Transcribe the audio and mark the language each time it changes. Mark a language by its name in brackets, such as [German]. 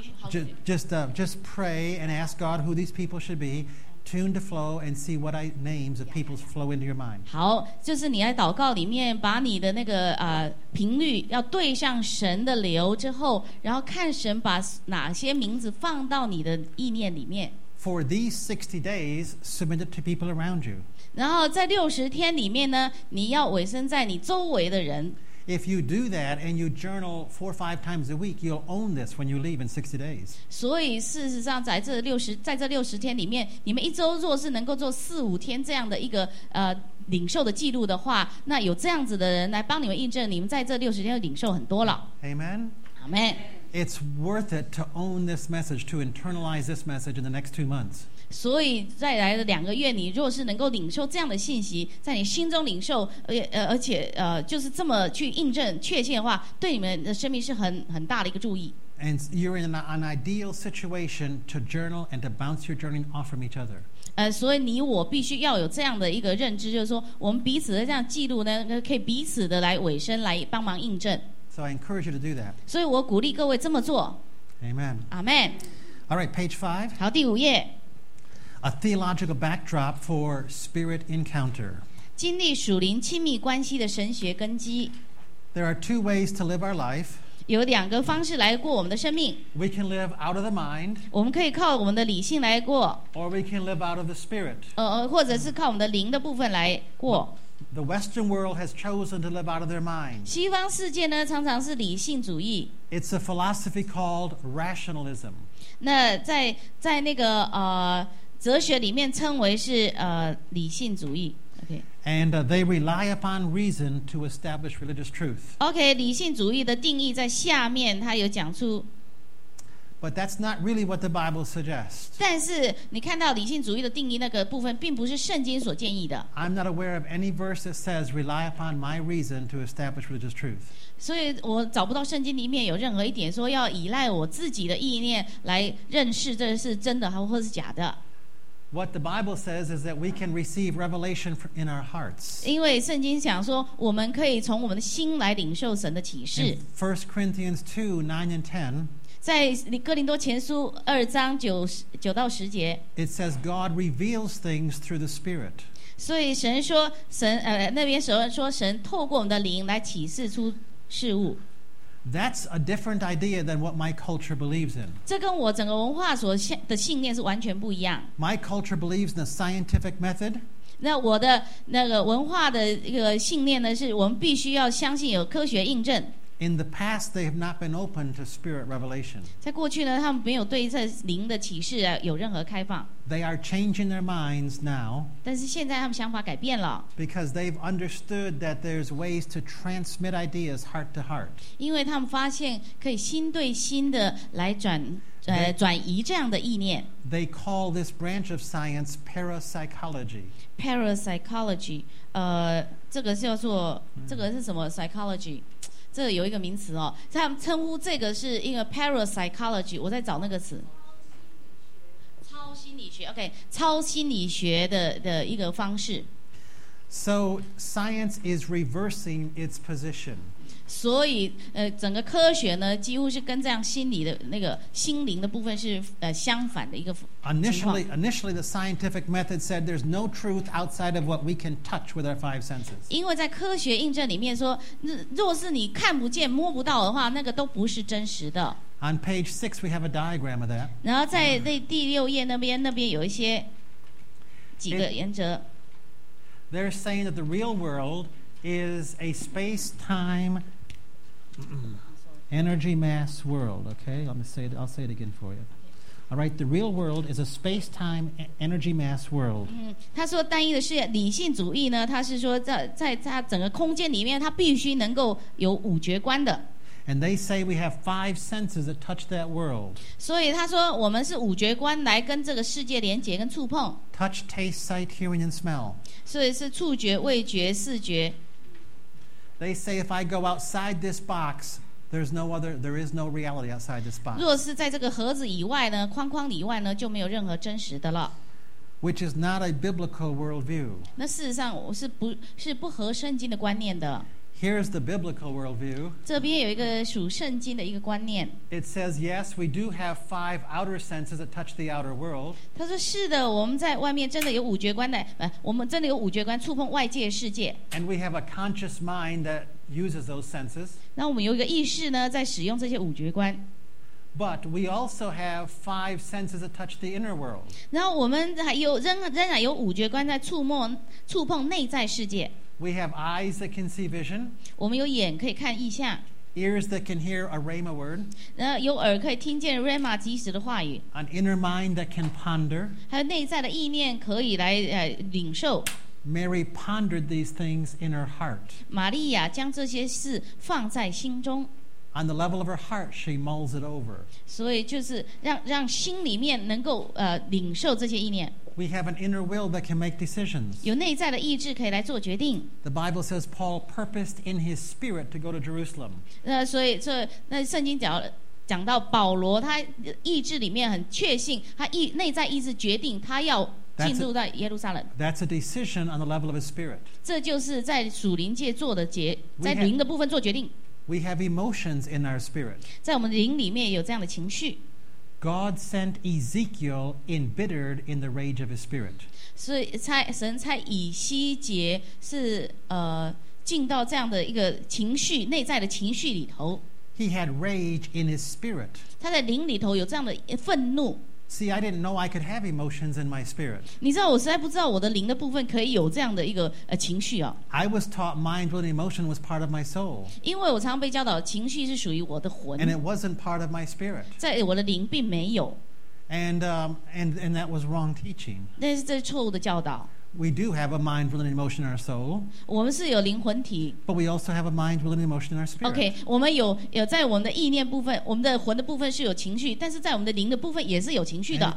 [English] Just pray and ask God who these people should be. Tune to flow and see what names of people flow into your mind. [Chinese] 好，就是你在祷告里面把你的那个频率要对向神的流之后，然后看神把哪些名字放到你的意念里面。 [English] For these 60 days, submit it to people around you. [Chinese] 然后在六十天里面呢，你要委身在你周围的人。 [English] If you do that and you journal 4 or 5 times a week, you'll own this when you leave in 60 days. [Chinese] 所以事实上在这60天里面，你们一周若是能够做4、5天这样的一个领受的记录的话，那有这样子的人来帮你们印证，你们在这60天领受很多了。 [English] Amen. Amen. It's worth it to own this message, to internalize this message in the next 2 months. [Chinese] 所以再来的两个月，你若是能够领受这样的信息，在你心中领受，而且就是这么去印证确切的话，对你们的生命是很大的一个注意。 [English] And you're in an ideal situation to journal and to bounce your journey off from each other. [Chinese] 所以你我必须要有这样的一个认知，就是说我们彼此的这样记录呢，可以彼此的来委身来帮忙印证。 [English] So I encourage you to do that. [Chinese] 所以我鼓励各位这么做。 [English] Amen. Amen. All right, page 5. [Chinese] 好，第五页。 [English] A theological backdrop for spirit encounter. [Chinese] 经历属灵亲密关系的神学根基。 [English] There are two ways to live our life. [Chinese] 有两个方式来过我们的生命。 [English] We can live out of the mind. [Chinese] 我们可以靠我们的理性来过。 [English] Or we can live out of the spirit. [Chinese] 或者是靠我们的灵的部分来过。 [English] The Western world has chosen to live out of their mind. [Chinese] 西方世界呢，常常是理性主义。 [English] It's a philosophy called rationalism. [Chinese] 那在那个哲学里面称为是理性主义。 [English] And they rely upon reason to establish religious truth. [Chinese] Okay, 理性主义的定义在下面，它有讲出。 [English] But that's not really what the Bible suggests. [Chinese] 但是你看到理性主义的定义那个部分，并不是圣经所建议的。 [English] I'm not aware of any verse that says rely upon my reason to establish religious truth. [Chinese] 所以我找不到圣经里面有任何一点说要依赖我自己的意念来认识这是真的或是假的。 [English] What the Bible says is that we can receive revelation in our hearts. [Chinese] 因为圣经讲说，我们可以从我们的心来领受神的启示。 [English] First Corinthians 2:9-10. [Chinese] 在哥林多前书二章九到十节。 [English] It says God reveals things through the Spirit. [Chinese] 所以神说神那边说神透过我们的灵来启示出事物。 [English] That's a different idea than what my culture believes in. [Chinese] 这跟我整个文化所的信念是完全不一样。 [English] My culture believes in the scientific method. [Chinese] 那我的那个文化的一个信念呢，是我们必须要相信有科学印证。 [English] In the past, they have not been open to spirit revelation. [Chinese] 在过去呢，他们没有对这灵的启示有任何开放。 [English] They are changing their minds now. [Chinese] 但是现在他们想法改变了。 [English] Because they've understood that there's ways to transmit ideas heart to heart. [Chinese] 因为他们发现可以心对心的来转移这样的意念。 [English] They call this branch of science parapsychology. [Chinese] Parapsychology, 这个是什么 psychology? 这有一个名词哦，他们称呼这个是一个 parapsychology， 我在找那个词。超心理学 ，OK， 超心理学的一个方式。 [English] So science is reversing its position. [Chinese] 所以整个科学呢，几乎是跟这样心理的那个心灵的部分是相反的一个情况。 [English] Initially, the scientific method said there's no truth outside of what we can touch with our five senses. [Chinese] 因为在科学印证里面说，若是你看不见、摸不到的话，那个都不是真实的。 [English] On page 6, we have a diagram of that. [Chinese] 然后在第六页那边有一些几个原则。 [English] They're saying that the real world is a space-time energy-mass world. Okay, I'll say it again for you. All right, the real world is a space-time energy-mass world. [Chinese] 他说单一的世界，理性主义呢，他是说在他整个空间里面，他必须能够有五觉观的。 [English] And they say we have five senses that touch that world. [Chinese] 所以他说我们是五觉观来跟这个世界连接跟触碰。 [English] Touch, taste, sight, hearing, and smell. [Chinese] 所以是触觉、味觉、视觉。 [English] They say if I go outside this box, there is no reality outside this box. [Chinese] 若是在这个盒子以外呢，框框以外呢，就没有任何真实的了。 [English] Which is not a biblical worldview. [Chinese] 那事实上是不合圣经的观念的。 [English] Here's the biblical worldview. [Chinese] 这边有一个属圣经的一个观念。 [English] It says yes, we do have five outer senses that touch the outer world. [Chinese] 他说是的，我们在外面真的有五觉观的，我们真的有五觉观触碰外界世界。 [English] And we have a conscious mind that uses those senses. [Chinese] 那我们有一个意识呢，在使用这些五觉观。 [English] But we also have five senses that touch the inner world. [Chinese] 然后我们还有仍然有五觉观在触碰内在世界。 [English] We have eyes that can see vision. [Chinese] 我们有眼可以看意象。 [English] Ears that can hear a rhema word. [Chinese] 有耳可以听见 rhema 即时的话语。 [English] An inner mind that can ponder. [Chinese] 还有内在的意念可以来领受。 [English] Mary pondered these things in her heart. [Chinese] 玛利亚将这些事放在心中。 [English] On the level of her heart, she mulls it over. [Chinese] 所以就是让心里面能够领受这些意念。 [English] We have an inner will that can make decisions. [Chinese] 有内在的意志可以来做决定。 [English] The Bible says Paul purposed in his spirit to go to Jerusalem. [Chinese] 所以圣经讲到保罗，他意志里面很确信，他内在意志决定他要进入到耶路撒冷。 [English] That's a decision on the level of his spirit. [Chinese] 这就是在属灵界做的决，在灵的部分做决定。 [English] We have emotions in our spirit. [Chinese] 在我们灵里面有这样的情绪。 [English] God sent Ezekiel embittered in the rage of his spirit. [Chinese] 所以神差以西结是进到这样的一个情绪内在的情绪里头。 [English] He had rage in his spirit. [Chinese] 他在灵里头有这样的愤怒。 [English] See, I didn't know I could have emotions in my spirit. [Chinese] 你知道我实在不知道我的灵的部分可以有这样的一个情绪啊。 [English] I was taught mind and emotion was part of my soul. [Chinese] 因为我常常被教导情绪是属于我的魂。 [English] And it wasn't part of my spirit. [Chinese] 在我的灵并没有。 [English] And that was wrong teaching. [Chinese] 那是错误的教导。 [English] We do have a mind, will, and emotion in our soul. [Chinese] 我们是有灵魂体。 [English] But we also have a mind, will, and emotion in our spirit. [Chinese] Okay, 我们有在我们的意念部分，我们的魂的部分是有情绪，但是在我们的灵的部分也是有情绪的。